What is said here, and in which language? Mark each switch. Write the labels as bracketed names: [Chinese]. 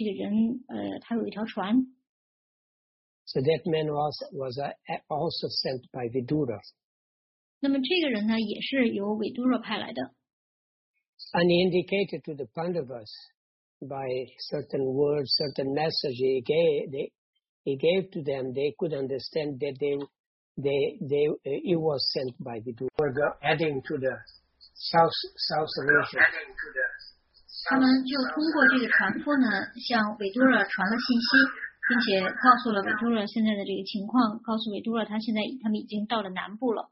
[Chinese] 然后他们这会儿呢是在雅穆那河附近，所以呢他们就继续走向雅穆那河，然后就看到在河岸边呢有一个人，这个人他有一条船。 [English] So that man was also sent by Vidura. [Chinese] 那么这个人呢也是由维多罗派来的。 [English] And he indicated to the Pandavas by certain words, certain messages he gave to them, they could understand that he was sent by Vidura.